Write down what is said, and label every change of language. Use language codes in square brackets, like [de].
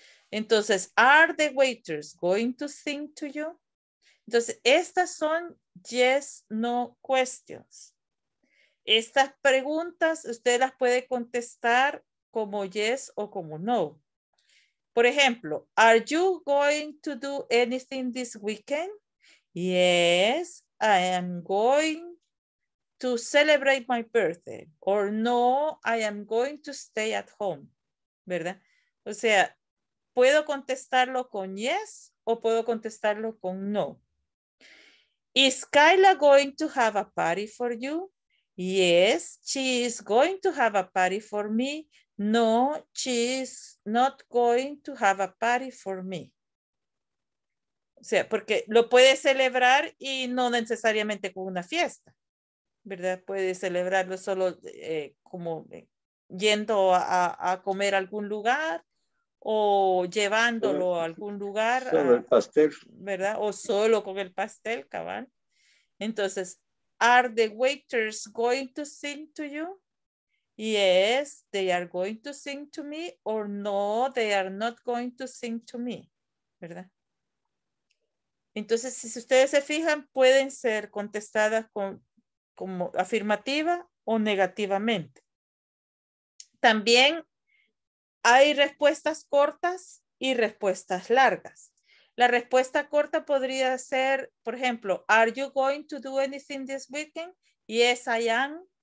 [es] Entonces, [en] are the waiters going to sing to you? [es] Entonces, estas son [en] yes, no questions. [es] Estas preguntas usted las puede contestar como yes o como no. Por ejemplo, [en] are you going to do anything this weekend? Yes, I am going to celebrate my birthday. Or no, I am going to stay at home. [es] ¿Verdad? O sea, puedo contestarlo con yes o puedo contestarlo con no. [en] Is Kyla going to have a party for you? Yes, she is going to have a party for me. No, she is not going to have a party for me. [es] O sea, porque lo puede celebrar y no necesariamente con una fiesta, ¿verdad? Puede celebrarlo solo como yendo a comer a algún lugar o llevándolo a algún lugar. Solo el pastel. ¿Verdad? O solo con el pastel, cabal. Entonces, [en] are the waiters going to sing to you? Yes, they are going to sing to me, or no, they are not going to sing to me, [es] ¿verdad? Entonces, si ustedes se fijan, pueden ser contestadas como afirmativa o negativamente. También hay respuestas cortas y respuestas largas. La respuesta corta podría ser, por ejemplo, [en] are you going to do anything this weekend? Yes, I am.